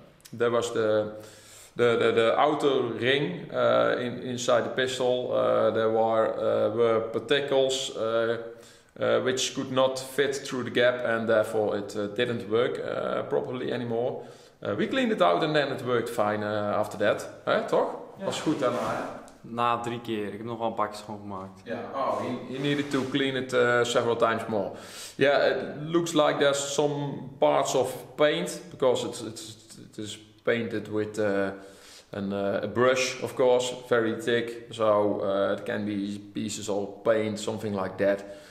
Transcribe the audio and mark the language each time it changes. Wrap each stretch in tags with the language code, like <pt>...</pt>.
<en>There was the outer ring inside the pistol. There were particles which could not fit through the gap, and therefore it didn't work properly anymore. We cleaned it out and then it worked fine after that,</en> <nl>hè, toch? Ja. Was goed daarna, hè? Na 3 keer, ik heb nog wel een pakje schoongemaakt. Ja, yeah.</nl> <en>Oh, you needed to clean it several times more. Yeah, it looks like there's some parts of paint, because it is painted with a brush, of course, very thick. So it can be pieces of paint, something like that.</en>